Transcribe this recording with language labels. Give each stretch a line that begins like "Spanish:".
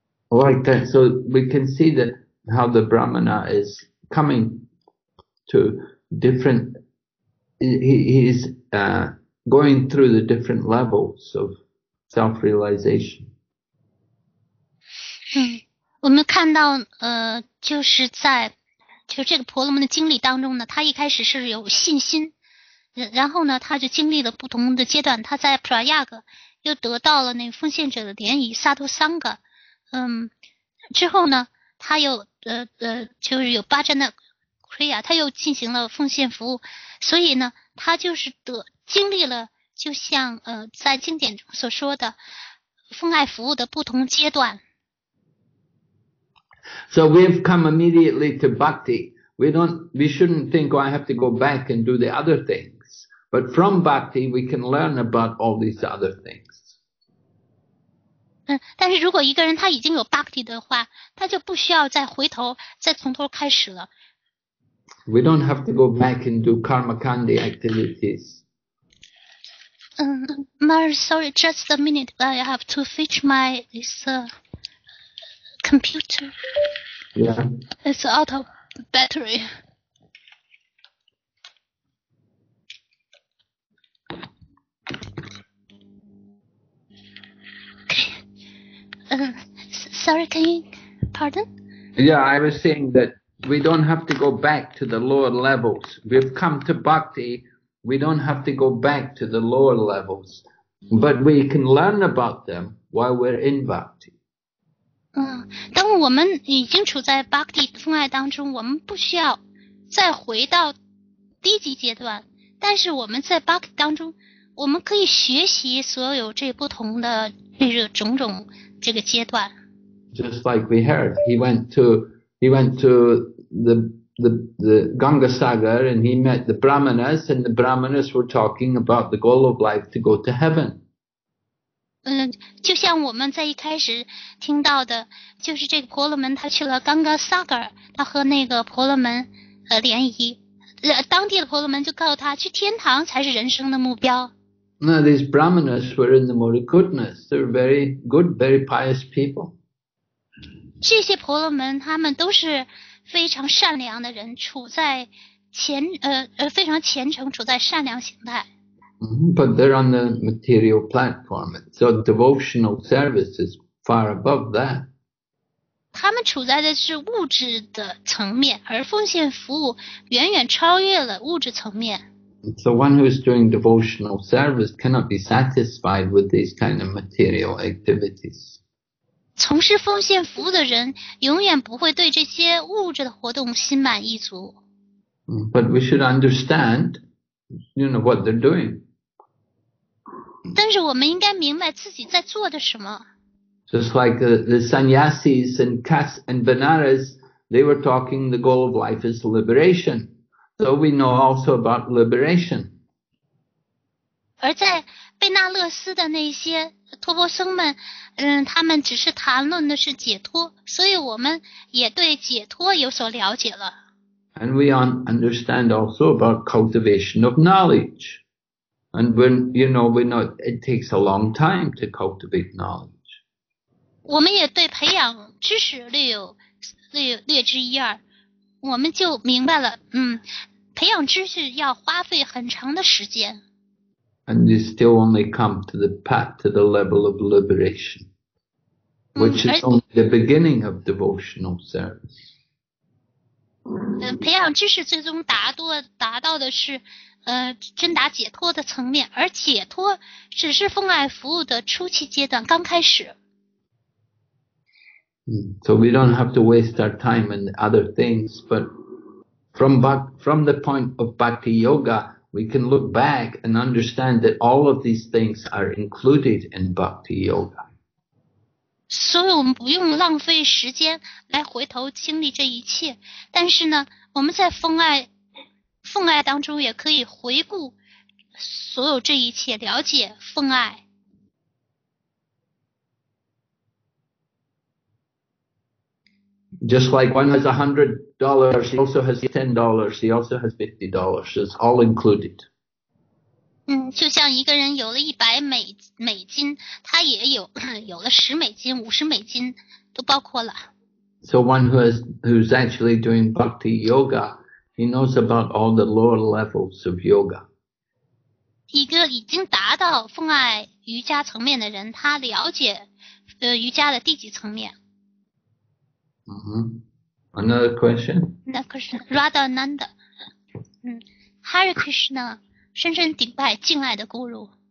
English: Like that, so we can see that how the brahmana is coming to different, he's going through the different levels of self-realization.
Chinese: 我们看到就是在就是这个婆罗门的经历当中呢，他一开始是有信心，然后呢，他就经历了不同的阶段。他在普拉亚格又得到了那个奉献者的联谊萨图桑格，之后呢，他又就是有巴扎那奎亚，他又进行了奉献服务，所以呢，他就是经历了，就像在经典中所说的，奉爱服务的不同阶段。
English: So we've come immediately to bhakti. We shouldn't think, oh, I have to go back and do the other things. But from bhakti, we can learn about all these other things.
Chinese: 但是如果一个人他已经有 bhakti 的话，他就不需要再回头，再从头开始了。
English: We don't have to go back and do karmakandi activities. Sorry, just a minute. I have to fetch my computer. Yeah. It's out of battery. Okay. Sorry, can you, pardon? Yeah, I was saying that we don't have to go back to the lower levels. We've come to bhakti, we don't have to go back to the lower levels. But we can learn about them while we're in bhakti.
Chinese: 当我们已经处在 bhakti 风爱当中，我们不需要再回到低级阶段。但是我们在 bhakti 当中，我们可以学习所有这不同的这个种种这个阶段。
English: Just like we heard, he went to the Ganga Sagar and he met the Brahmanas, and the Brahmanas were talking about the goal of life to go to heaven.
Chinese: 就像我们在一开始听到的，就是这个婆罗门他去了 Ganga Sagar, 他和那个婆罗门联谊，当地的婆罗门就告诉他，去天堂才是人生的目标。
English: Now these Brahmanas were in the Murikutnas. They're very good, very pious people.
Chinese: 这些婆罗门他们都是非常善良的人，处在虔非常虔诚，处在善良形态。
English: But they're on the material platform, so devotional service is far above that.
Chinese: 他们处在的是物质的层面，而奉献服务远远超越了物质层面。
English: So one who is doing devotional service cannot be satisfied with these kind of material activities.
Chinese: 从事奉献服务的人永远不会对这些物质的活动心满意足。
English: But we should understand, you know, what they're doing.
Chinese: 但是我们应该明白自己在做的什么。
English: Just like the sannyasis and Kas and Banaras, they were talking the goal of life is liberation. So we know also about liberation.
Chinese: 而在贝纳勒斯的那些托钵僧们，他们只是谈论的是解脱，所以我们也对解脱有所了解了。
English: And we understand also about cultivation of knowledge. And when, you know, we know it takes a long time to cultivate knowledge.
Chinese: 我们也对培养知识略知一二。我们就明白了，培养知识要花费很长的时间。
English: And you still only come to the path to the level of liberation, which is only the beginning of devotional service.
Chinese: 培养知识最终达到的是真达解脱的层面，而解脱只是奉爱服务的初期阶段，刚开始。
English: So we don't have to waste our time in other things, but from the point of Bhakti Yoga, we can look back and understand that all of these things are included in Bhakti Yoga.
Chinese: 所以我们不用浪费时间来回头经历这一切，但是呢，我们在奉爱当中也可以回顾所有这一切，了解奉爱。
English: Just like one has $100, he also has $10, he also has $50, it's all included.
Chinese: 就像一个人有了100美金，他也有了10美金、50美金，都包括了。
English: So one who's actually doing bhakti yoga, he knows about all the lower levels of yoga.
Chinese: 一个已经达到奉爱瑜伽层面的人，他了解瑜伽的低级层面。
English: Mm-hmm. Another question? Another question. Radha Nanda. Hare Krishna,
Chinese: 深深顶拜敬爱的
English: Guru.